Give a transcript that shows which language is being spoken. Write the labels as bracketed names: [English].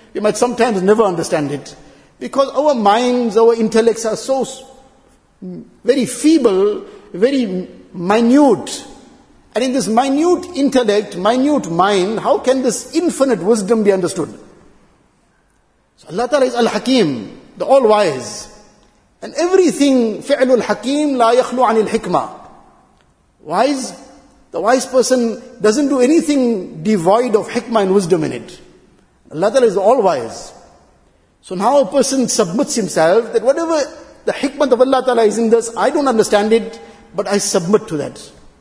[English] You might sometimes never understand it, because our minds, our intellects are so very feeble, very minute. And in this minute intellect, minute mind, how can this infinite wisdom be understood? So Allah Ta'ala is Al-Hakim, the All-Wise. And everything, [Arabic] فِعْلُ الْحَكِيمِ لَا يَخْلُو عَنِ الْحِكْمَةِ. [English] Wise, the wise person doesn't do anything devoid of hikmah and wisdom in it. Allah Ta'ala is All-Wise. So now a person submits himself, that whatever the hikmah of Allah Ta'ala is in this, I don't understand it, but I submit to that.